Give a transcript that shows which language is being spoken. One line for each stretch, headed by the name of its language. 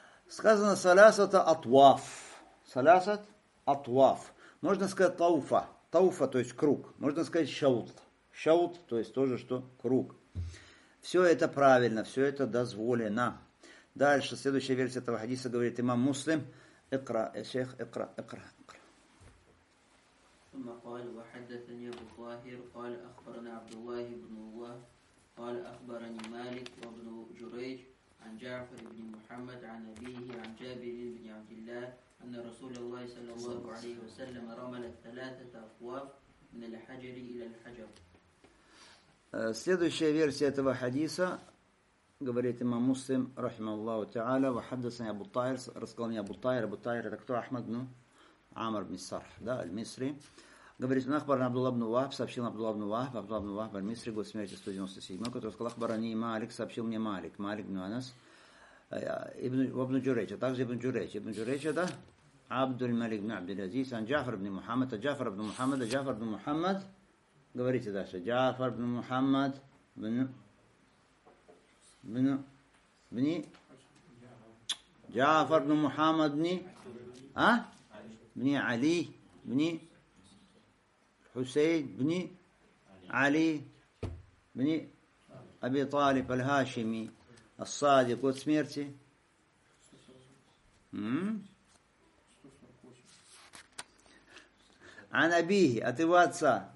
Russian: Сказано, салясат атваф. Салясат атваф. Можно сказать тауфа. Тауфа, то есть круг. Можно сказать шаут. Шаут, то есть тоже что? Круг. Все это правильно, все это дозволено. Дальше, следующая версия этого хадиса говорит имам Муслим. Икра, шейх, икра, икра.
Arabic: ثم قال وحدثني أبو طاهر قال أخبرنا عبد الله بن الله قال أخبرني مالك وابن جريج عن جعفر بن محمد عن أبيه عن جابر بن عبد الله أن رسول الله صلى الله عليه وسلم رمل ثلاثة أطواف من الحجر إلى الحجر.
Russian: Следующая версия этого хадиса говорит имам Муслим
Arabic: رحمه الله تعالى وحدثني أبو طاهر رسول الله أبو طاهر أبو طاهر
Russian: это кто أحمد بن Амар бин Сарх, да, аль-Мисри. Говорит, Ахбарна Абдулла ибн Вахб, сообщил Абдулла ибн Вахб, Абдулла ибн Вахб, аль-Мисри, год смерти 197, который сказал, Ахбарани Малик, сообщил мне Малик, Малик ибн Анас, ибн Джуреч, а также ибн Джуреч. Ибн Джуреч, да, Абдуль Малик ибн Абдул-Азиз, ан Джафар ибн Мухаммад, а Джафар ибн Мухаммад, а Джафар ибн Мухаммад, говорите дальше, Джафар ибн Мухаммад, Джафар ибн Мухаммад, а?
Arabic: بني علي بني حسين بني علي بني أبي طالب الهاشمي الصادق قد سميرتي عن أبيه
Russian: от его отца.